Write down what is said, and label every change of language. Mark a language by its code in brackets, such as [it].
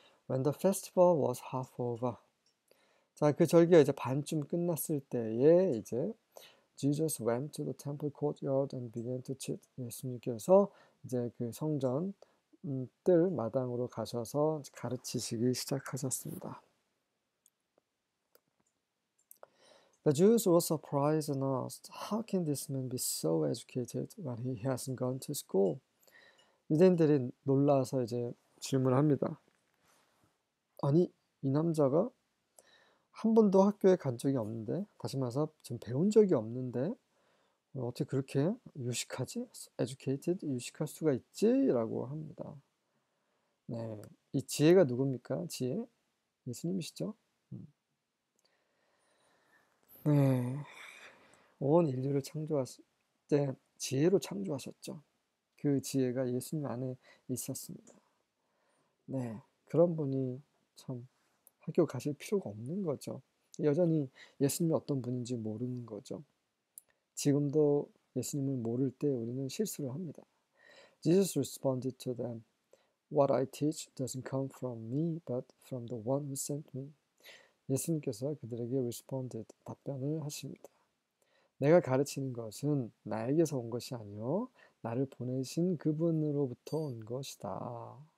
[en] When the festival was half over. [ko] 자, 그 절기가 이제 반쯤 끝났을 때에 이제 [en] Jesus went to the temple courtyard and began to teach. [ko] 예수님께서 이제 그 성전 뜰 마당으로 가셔서 가르치시기 시작하셨습니다. [en] The Jews were surprised and asked, "How can this man be so educated when he hasn't gone to school?" [ko] 유대인들이 놀라서 이제 질문합니다. 아니, 이 남자가 한 번도 학교에 간 적이 없는데, 다시 말해서 지금 배운 적이 없는데, 어떻게 그렇게 유식하지? Educated, 유식할 수가 있지?라고 합니다. 네, 이 지혜가 누굽니까? 지혜? 예수님이시죠? 네, 온 인류를 창조하실 때 지혜로 창조하셨죠. 그 지혜가 예수님 안에 있었습니다. 네, 그런 분이 참 학교 가실 필요가 없는 거죠. 여전히 예수님이 어떤 분인지 모르는 거죠. 지금도 예수님을 모를 때 우리는 실수를 합니다. [en] Jesus responded to them, "What I teach doesn't come from me, but from the one who sent me." [ko] 예수님께서 그들에게 responded, 답변을 하십니다. 내가 가르치는 것은 나에게서 온 것이 아니요 나를 보내신 그분으로부터 온 것이다.